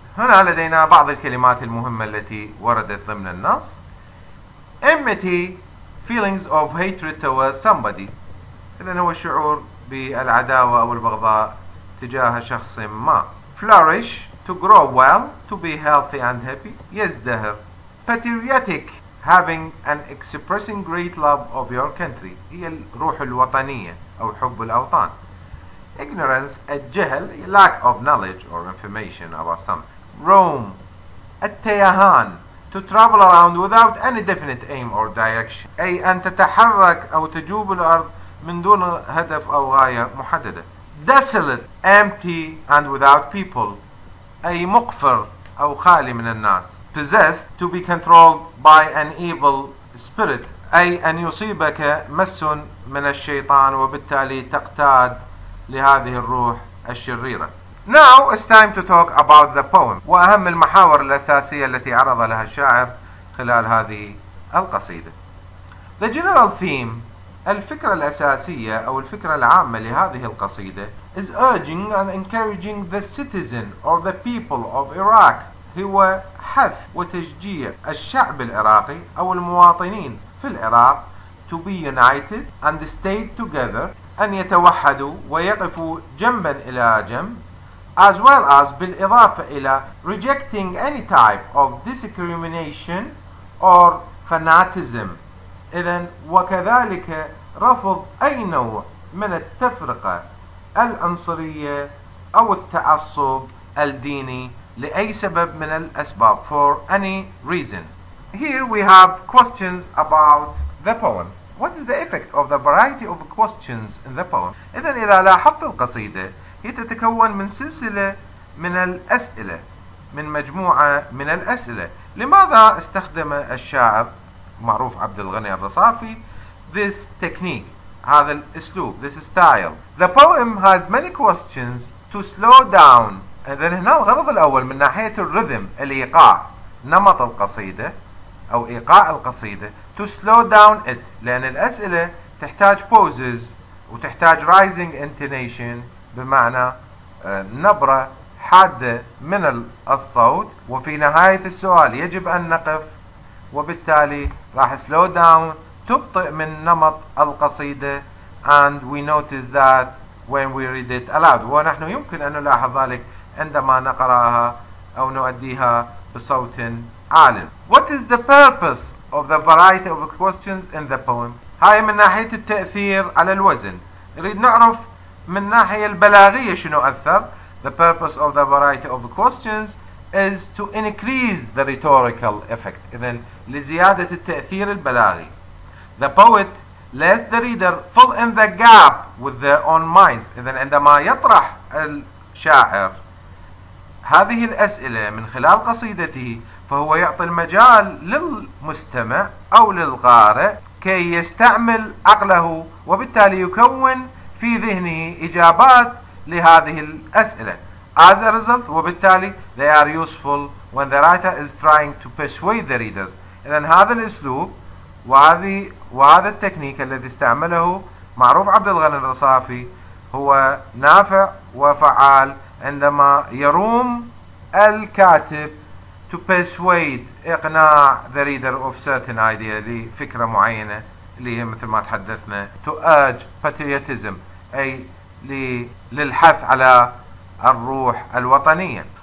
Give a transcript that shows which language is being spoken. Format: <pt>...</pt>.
<ar>هنا لدينا بعض الكلمات المهمة التي وردت ضمن النص.</ar> <en>Enmity, feelings of hatred towards somebody.</en> <ar>إذن هو الشعور بالعداوة أو البغضاء تجاه شخص ما.</ar> <en>Flourish, to grow well, to be healthy and happy.</en> <ar>يزدهر.</ar> <en>Patriotic, having and expressing great love of your country.</en> <ar>هي الروح الوطنية أو حب الأوطان.</ar> <en>Ignorance, الجهل, lack of knowledge or information about something. Roam, التيهان, to travel around without any definite aim or direction.</en> <ar>أي أن تتحرك أو تجوب الأرض من دون هدف أو غاية محددة.</ar> <en>Desolate, empty and without people.</en> <ar>أي مقفر أو خالي من الناس.</ar> <en>Possessed, to be controlled by an evil spirit.</en> <ar>أي أن يصيبك مس من الشيطان وبالتالي تقتاد لهذه الروح الشريرة.</ar> <en>Now it's time to talk about the poem.</en> <ar>وأهم المحاور الأساسية التي عرض لها الشاعر خلال هذه القصيدة.</ar> <en>The general theme,</en> <ar>الفكرة الأساسية أو الفكرة العامة لهذه القصيدة</ar> <en>is urging and encouraging the citizen or the people of Iraq.</en> <ar>هو حث وتشجيع الشعب العراقي أو المواطنين في العراق</ar> <en>to be united and stay together</en> <ar>أن يتوحدوا ويقفوا جنبا إلى جنب</ar> <en>as well as</en> <ar>بالإضافة إلى</ar> <en>rejecting any type of discrimination or fanatism</en> <ar>إذن وكذلك رفض أي نوع من التفرقة العنصرية أو التعصب الديني لأي سبب من الأسباب</ar> <en>for any reason. Here we have questions about the poem. What is the effect of the variety of questions in the poem?</en> <ar>إذن إذا لاحظت القصيدة هي تتكون من سلسلة من الأسئلة من مجموعة من الأسئلة. لماذا استخدم الشاعر معروف عبد الغني الرصافي</ar> <en>this technique</en> <ar>هذا الأسلوب</ar> <en>this style. The poem has many questions to slow down.</en> <ar>إذن هنا الغرض الأول من ناحية الريذم الإيقاع نمط القصيدة أو إيقاع القصيدة</ar> <en>to slow down it</en> <ar>لأن الأسئلة تحتاج pauses وتحتاج</ar> <en>rising intonation</en> <ar>بمعنى نبرة حادة من الصوت وفي نهاية السؤال يجب أن نقف وبالتالي راح</ar> <en>slow down</en> <ar>تبطئ من نمط القصيدة</ar> <en>and we notice that when we read it aloud</en> <ar>ونحن يمكن أن نلاحظ ذلك عندما نقرأها أو نؤديها بصوت عالٍ.</ar> <en>What is the purpose of the variety of questions in the poem?</en> <ar>هاي من ناحية التأثير على الوزن. نريد نعرف من ناحية البلاغية شنو أثر؟</ar> <en>The purpose of the variety of questions is to increase the rhetorical effect.</en> <ar>إذن لزيادة التأثير البلاغي.</ar> <en>The poet lets the reader fill in the gap with their own minds.</en> <ar>إذن عندما يطرح الشاعر هذه الأسئلة من خلال قصيدته فهو يعطي المجال للمستمع أو للقارئ كي يستعمل عقله وبالتالي يكون في ذهنه إجابات لهذه الأسئلة.</ar> <en>As a result, وبالتالي they are useful when the writer is trying to persuade the readers.</en> <ar>إذن هذا الأسلوب وهذا التكنيك الذي استعمله معروف عبد الغني الرصافي هو نافع وفعال عندما يروم الكاتب</ar> <en>to persuade</en> <ar>إقناع</ar> <en>the reader of certain idea</en> <ar>لفكرة معينة اللي هي مثل ما تحدثنا</ar> <en>to urge patriotism</en> <ar>أي للحث على الروح الوطنية.</ar>